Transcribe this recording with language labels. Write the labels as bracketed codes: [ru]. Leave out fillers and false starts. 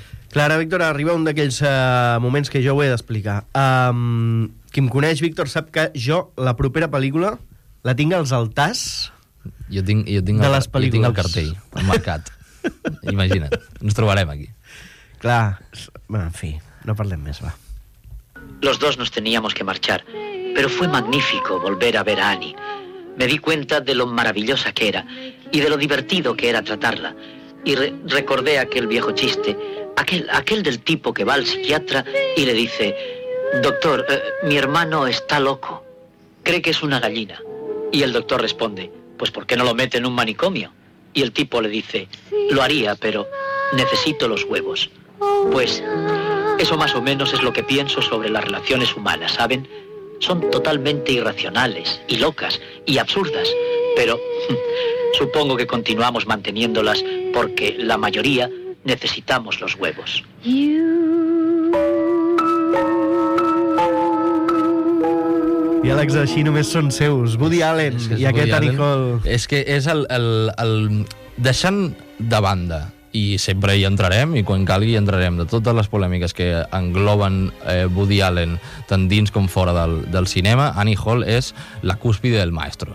[ca] Clara, Víctor, arriba un d'aquells moments que jo ho he d'explicar. Qui em coneix, Víctor, sap que jo la propera pel·lícula la tinc als altars. Jo tinc el cartell, el marcat. Imagina't, ens trobarem aquí. Clar, bueno, en fi, no parlem més, va. [es] Los dos nos teníamos que marchar, pero fue magnífico volver a ver a Annie. Me di cuenta de lo maravillosa que era y de lo divertido que era tratarla. Y recordé aquel viejo chiste... Aquel del tipo que va al psiquiatra y le dice, doctor, mi hermano está loco, cree que es una gallina. Y el doctor responde, pues ¿por qué no lo mete en un manicomio? Y el tipo le dice, lo haría, pero necesito los huevos. Pues eso más o menos es lo que pienso sobre las relaciones humanas, ¿saben? Son totalmente irracionales y locas y absurdas, pero supongo que continuamos manteniéndolas porque la mayoría... Necesitamos los huevos. [ca] I Alex així només són seus. Woody Allen i aquest Annie Hall. És que és el deixant de banda, i sempre hi entrarem, i quan calgui hi entrarem, de totes les polèmiques que engloben Woody Allen tant dins com fora del cinema, Annie Hall és la cúspide del maestro.